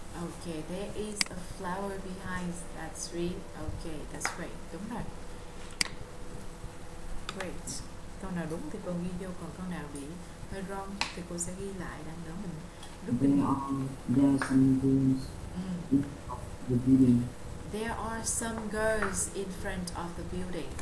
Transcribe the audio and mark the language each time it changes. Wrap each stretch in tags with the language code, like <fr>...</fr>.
<en>Okay, there is a flower behind that tree. Okay, that's great.</en> <vi>Đúng rồi.</vi> <en>Great.</en> <vi>Câu nào đúng thì cô ghi vô, còn câu nào bị hơi wrong thì cô sẽ ghi lại. Đang đó mình lúc</vi> <en>there</en> <vi>mình...</vi> <en>are some girls in front of the building. There are some girls in front of the building.</en>